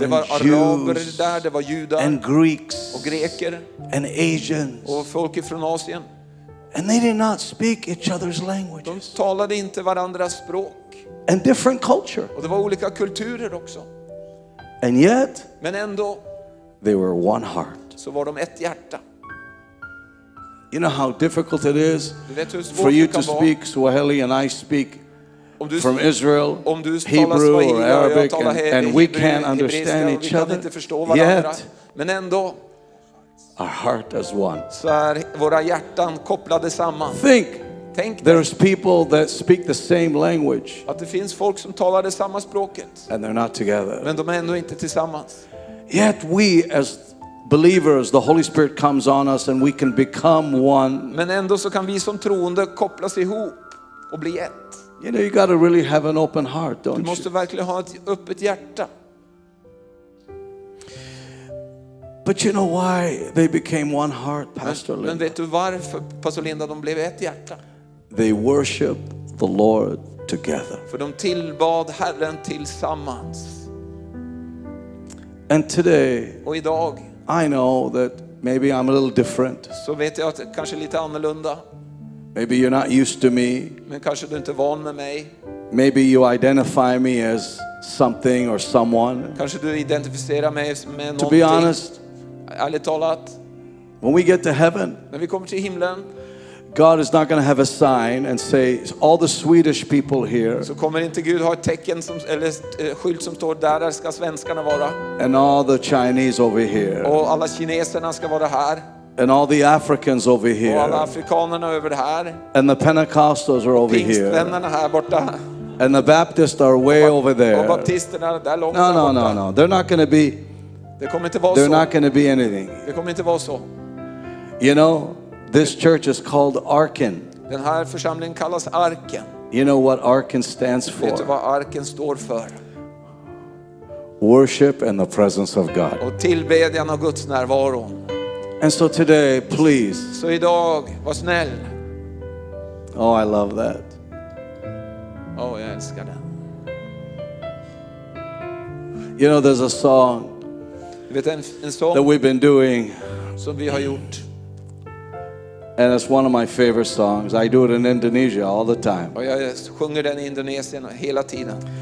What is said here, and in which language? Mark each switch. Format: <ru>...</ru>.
<sv>Det var araber där, det var judar.</sv> <en>And Greeks.</en> <sv>Och greker.</sv> <en>And Asians.</en> <sv>Och folk från Asien.</sv> <en>And they did not speak each other's languages.</en> <sv>De talade inte varandras språk.</sv> <en>And different culture.</en> <sv>Och det var olika kulturer också.</sv> <en>And yet,</en> <sv>men ändå,</sv> <en>they were one heart.</en> <sv>Så var de ett hjärta.</sv> <en>You know how difficult it is for you to speak Swahili and I speak from Israel, Hebrew or Arabic, and we can't understand each other.</en> <sv>Yet, men ändå,</sv> <en>our heart is one.</en> <sv>Så är våra hjärtan kopplade samman.</sv> <en>Think. There's people that speak the same language.</en> <sv>Att det finns folk som talar det samma språket.</sv> <en>And they're not together.</en> <sv>Men de är ändå inte tillsammans.</sv> <en>Yet we as believers, the Holy Spirit comes on us and we can become one.</en> <sv>Men ändå så kan vi som troende kopplas ihop och bli ett.</sv> <en>You know, you got to really have an open heart, don't you?</en> <sv>Du måste verkligen ha ett öppet hjärta.</sv> <en>But you know why they became one heart, Pastor Linda?</en> <sv>Men vet du varför Pastor Linda de blev ett hjärta?</sv> <en>They worship the Lord together.</en> <sv>För de tillbad Herren tillsammans.</sv> <en>And today,</en> <sv>och idag,</sv> <en>I know that maybe I'm a little different.</en> <sv>Så vet jag att kanske lite annorlunda.</sv> <en>Maybe you're not used to me.</en> <sv>Men kanske du inte är van med mig.</sv> <en>Maybe you identify me as something or someone.</en> <sv>Kanske du identifierar mig med någonting.</sv> <en>To be honest,</en> <sv>ärligt talat,</sv> <en>when we get to heaven,</en> <sv>när vi kommer till himlen,</sv> <en>God is not going to have a sign and say all the Swedish people here.</en> <sv>Så kommer inte Gud ha ett tecken som eller skylt som står där ska svenskarna vara.</sv> <en>And all the Chinese over here.</en> <sv>Och alla kineserna ska vara här.</sv> <en>And all the Africans over here.</en> <sv>Och alla afrikanerna över här.</sv> <en>And the Pentecostals are over here.</en> <sv>Pingstvännerna här borta.</sv> <en>And the Baptists are way over there.</en> <sv>Och baptisterna där långt.</sv> <en>No. They're not going to be.</en> <sv>Det kommer inte vara så.</sv> <en>They're not going to be anything.</en> <sv>Det kommer inte vara så.</sv> <en>You know, this church is called Arken.</en> <sv>Den här församlingen kallas Arken.</sv> <en>You know what Arken stands for?</en> <sv>Vet du vad Arken står för?</sv> <en>Worship and the presence of God.</en> <sv>Och tillbedjan av Guds närvaro.</sv> <en>And so today, please.</en> <sv>Så idag, var snäll.</sv> <en>Oh, I love that.</en> <sv>Oh, jag älskar det.</sv> <en>You know, there's a song.</en> <sv>Du vet en sång</sv> <en>that we've been doing.</en> <sv>Som vi har gjort.</sv> <en>And it's one of my favorite songs. I do it in Indonesia all the time.</en> <sv>Och jag sjunger den i Indonesien hela tiden.</sv>